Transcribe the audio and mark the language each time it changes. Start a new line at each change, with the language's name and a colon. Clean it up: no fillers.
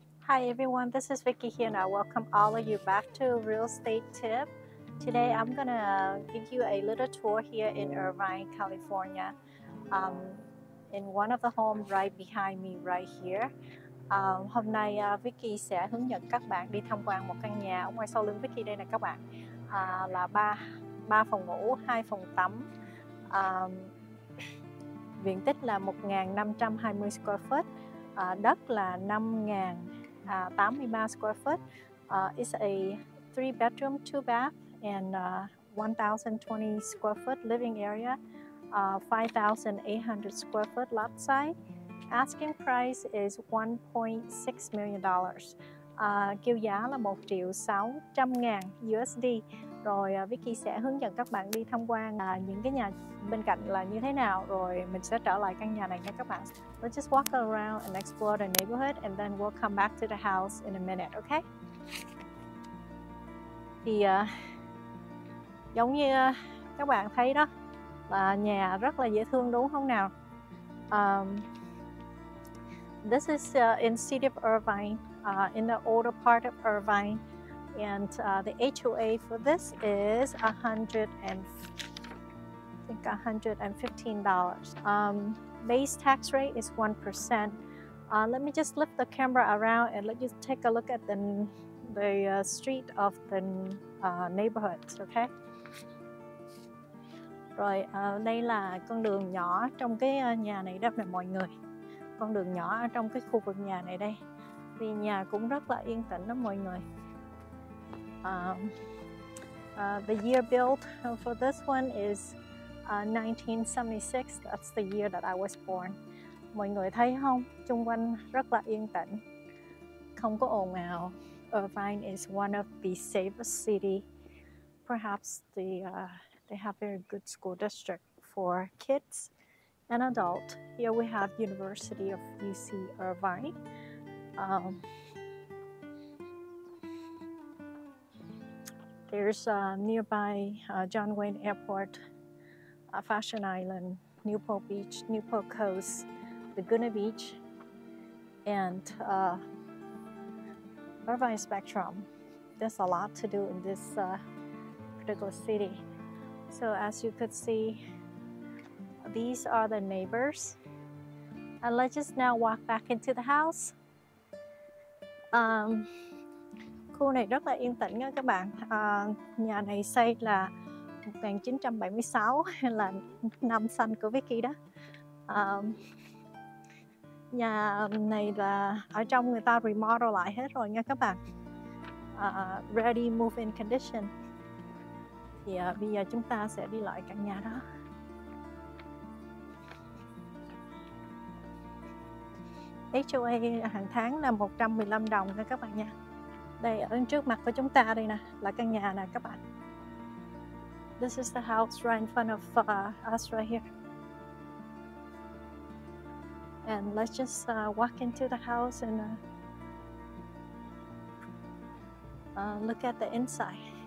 English: Hi everyone, this is Vicky here and I welcome all of you back to Real Estate Tip. Today I'm gonna give you a little tour here in Irvine, California, in one of the homes right behind me right here.
Vietnamese: Hôm nay Vicky sẽ hướng dẫn các bạn đi tham quan một căn nhà ở ngoài sau lưng Vicky đây nè các bạn. Là ba phòng ngủ, hai phòng tắm. Diện tích là 1520
English: square foot.
Vietnamese: Đất là 5083
English: square foot. It's a 3 bedroom, 2 bath and 1020 square foot living area. 5800 square foot lot size. Asking price is $1.6 million.
Vietnamese: Kêu giá là 1.600.000 USD. Rồi Vicky sẽ hướng dẫn các bạn đi tham quan những cái nhà bên cạnh là như thế nào. Rồi mình sẽ trở lại căn nhà này nha các bạn.
English: Let's just walk around and explore the neighborhood and then we'll come back to the house in a minute, okay?
Vietnamese: Thì giống như các bạn thấy đó, là nhà rất là dễ thương đúng không nào?
English: This is in city of Irvine, in the older part of Irvine. And the HOA for this is $115. Base tax rate is 1%. Let me just lift the camera around and let you take a look at the street of the neighborhood, okay?
Vietnamese: Rồi, đây là con đường nhỏ trong cái nhà này đó nè mọi người. Con đường nhỏ ở trong cái khu vực nhà này đây. Thì nhà cũng rất là yên tĩnh đó mọi người.
English: The year built for this one is 1976. That's the year that I was born.
Vietnamese: Mọi người thấy không? Xung quanh rất là yên tĩnh, không có ồn ào.
English: Irvine is one of the safest city. Perhaps they have very good school district for kids and adult. Here we have University of UC Irvine. There's a nearby John Wayne Airport, Fashion Island, Newport Beach, Newport Coast, Laguna Beach, and Irvine Spectrum. There's a lot to do in this particular city. So as you could see, these are the neighbors. And let's just now walk back into the house.
Vietnamese: Khu này rất là yên tĩnh nha các bạn. Nhà này xây là 1976, là năm sinh của Vicky đó. Nhà này là ở trong người ta remodel lại hết rồi nha các bạn.
English: Ready move in condition.
Vietnamese: Thì bây giờ chúng ta sẽ đi lại căn nhà đó. HOA hàng tháng là 115 đồng nha các bạn nha. Đây ở trước mặt của chúng ta đây nè, là căn nhà nè các bạn.
English: This is the house right in front of us right here. And let's just walk into the house and look at the inside.